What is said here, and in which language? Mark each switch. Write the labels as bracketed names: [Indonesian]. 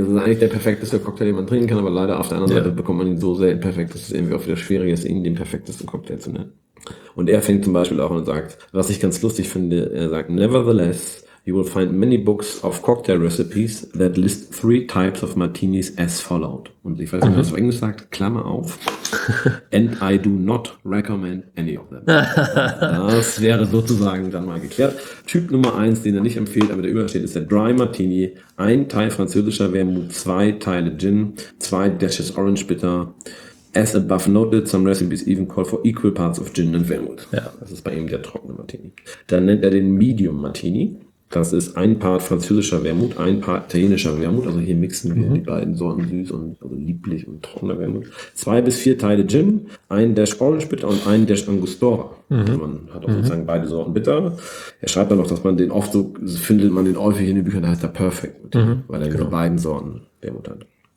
[German] Das ist eigentlich der perfekteste Cocktail, den man trinken kann, aber leider auf der anderen Seite bekommt man ihn so selten perfekt, dass es irgendwie auch wieder schwierig ist, ihn den perfektesten Cocktail zu nennen. Und er fängt zum Beispiel auch an und sagt, was ich ganz lustig finde, er sagt, [English] nevertheless, you will find many books of cocktail recipes that list 3 types of martinis as followed. [German] Und ich weiß nicht, was er auf Englisch sagt, Klammer auf. [English] And I do not recommend any of them. [German] Das wäre sozusagen dann mal geklärt. Typ Nummer 1, den er nicht empfiehlt, aber der übersteht, ist der Dry Martini. Ein Teil französischer Wermut, 2 Teile Gin, 2 Dashes Orange Bitter. [English] As above noted, some recipes even call for equal parts of Gin and Wermut. [German] Ja. Das ist bei ihm der trockene Martini. Dann nennt er den Medium Martini. Das ist ein Part französischer Wermut, ein Part italienischer Wermut. Also hier mixen wir die beiden Sorten süß und also lieblich und trockener Wermut. 2 bis 4 Teile Gin, 1 Dash Orange Bitter und 1 Dash Angostura. Also man hat auch sozusagen beide Sorten bitter. Er schreibt dann noch, dass man den oft so, findet man den häufig in den Büchern, da heißt er Perfect, weil er diese beiden Sorten Wermut hat.